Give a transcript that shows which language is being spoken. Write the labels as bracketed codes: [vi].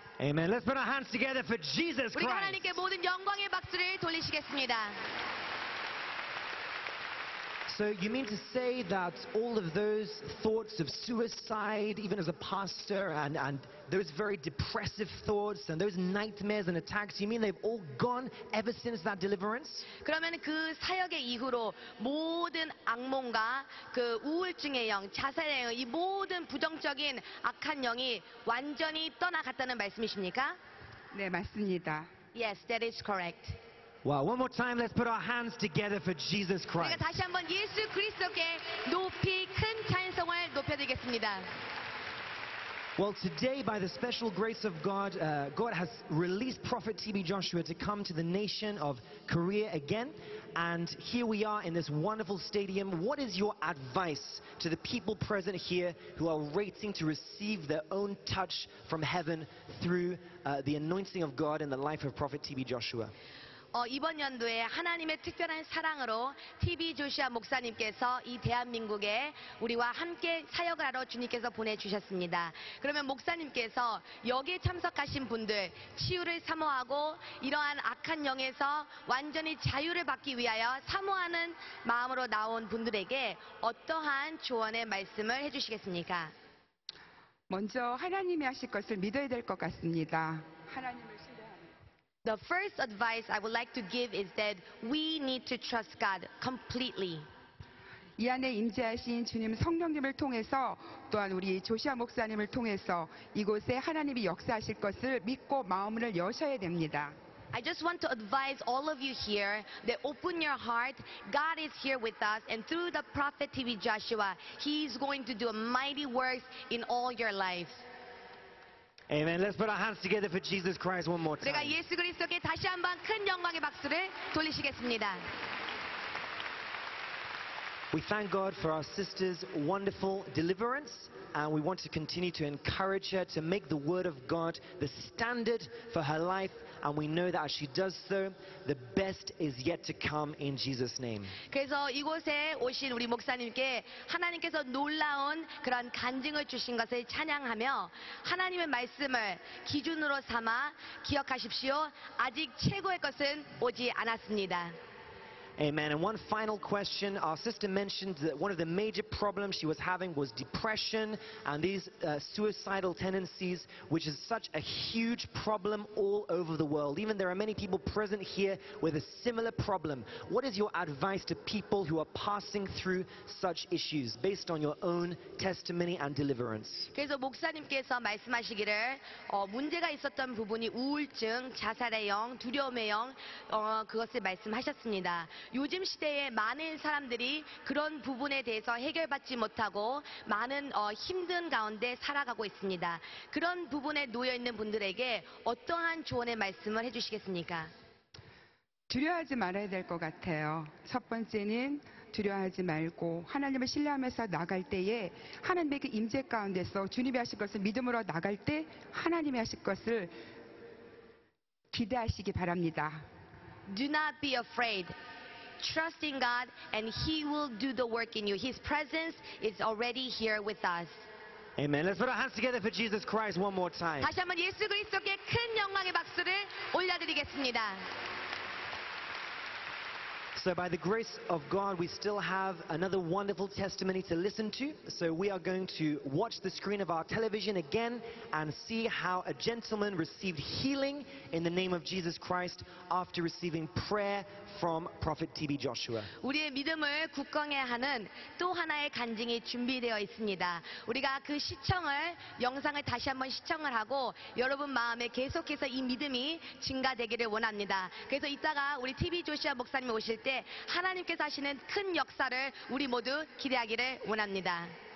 [en] Amen. Let's put our hands together for Jesus Christ. [ko] 우리 하나님께 모든 영광의 박수를 돌리시겠습니다. [en] So you mean to say that all of those thoughts of suicide, even as a pastor, and those very depressive thoughts and those nightmares and attacks, you mean they've all gone ever since that deliverance? [ko] 그러면 그 사역의 이후로 모든 악몽과 그 우울증의 영, 자살의 영, 이 모든 부정적인 악한 영이 완전히 떠나갔다는 말씀이십니까? 네, 맞습니다. [en] Yes, that is correct. Wow, one more time, let's put our hands together for Jesus Christ. [ko] 우리가 다시 한번 예수 그리스도께 높이 큰 찬송을 높여드리겠습니다. [en] Well, today, by the special grace of God, God has released Prophet TB Joshua to come to the nation of Korea again. And here we are in this wonderful stadium. What is your advice to the people present here who are waiting to receive their own touch from heaven through the anointing of God in the life of Prophet TB Joshua? [ko] 이번 연도에 하나님의 특별한 사랑으로 TB 조시아 목사님께서 이 대한민국에 우리와 함께 사역을 하러 주님께서 보내주셨습니다. 그러면 목사님께서 여기에 참석하신 분들 치유를 사모하고 이러한 악한 영에서 완전히 자유를 받기 위하여 사모하는 마음으로 나온 분들에게 어떠한 조언의 말씀을 해주시겠습니까? 먼저 하나님이 하실 것을 믿어야 될 것 같습니다. 하나님 [en] The first advice I would like to give is that we need to trust God completely. [ko] 이 안에 임재하신 주님 성령님을 통해서 또한 우리 조시아 목사님을 통해서 이곳에 하나님이 역사하실 것을 믿고 마음을 여셔야 됩니다. [en] I just want to advise all of you here that open your heart. God is here with us and through the prophet TB Joshua, he's going to do a mighty work in all your lives. Amen. Let's put our hands together for Jesus Christ one more time. [ko] 우리가 예수 그리스도께 다시 한번 큰 영광의 박수를 돌리시겠습니다. [en] We thank God for our sister's wonderful deliverance, and we want to continue to encourage her to make the word of God the standard for her life. And we know that as she does so, the best is yet to come in Jesus' name. [ko] 그래서 이곳에 오신 우리 목사님께 하나님께서 놀라운 그런 간증을 주신 것을 찬양하며 하나님의 말씀을 기준으로 삼아 기억하십시오. 아직 최고의 것은 오지 않았습니다. [en] Amen. And one final question. Our sister mentioned that one of the major problems she was having was depression and these suicidal tendencies, which is such a huge problem all over the world. Even there are many people present here with a similar problem. What is your advice to people who are passing through such issues based on your own testimony and deliverance? [ko] 그래서 목사님께서 말씀하시기를 문제가 있었던 부분이 우울증, 자살의 영, 두려움의 영 그것을 말씀하셨습니다. 요즘 시대에 많은 사람들이 그런 부분에 대해서 해결받지 못하고 많은 힘든 가운데 살아가고 있습니다. 그런 부분에 놓여 있는 분들에게 어떠한 조언의 말씀을 해주시겠습니까? 두려워하지 말아야 될 것 같아요. 첫 번째는 두려워하지 말고 하나님을 신뢰하면서 나갈 때에 하나님의 그 임재 가운데서 주님이 하실 것을 믿음으로 나갈 때 하나님이 하실 것을 기대하시기 바랍니다. [en] Do not be afraid. Trust in God and He will do the work in you. His presence is already here with us. Amen. Let's put our hands together for Jesus Christ one more time. [ko] 다시 한번 예수 그리스도께 큰 영광의 박수를 올려드리겠습니다. [en] So by the grace of God, we still have another wonderful testimony to listen to. So we are going to watch the screen of our television again and see how a gentleman received healing in the name of Jesus Christ after receiving prayer from Prophet TB Joshua. [ko] 우리의 믿음을 굳건하게 하는 또 하나의 간증이 준비되어 있습니다. 우리가 그 시청을 영상을 다시 한번 시청을 하고 여러분 마음에 계속해서 이 믿음이 증가되기를 원합니다. 그래서 이따가 우리 TB 조시아 목사님 오실 때 하나님께서 하시는 큰 역사를 우리 모두 기대하기를 원합니다.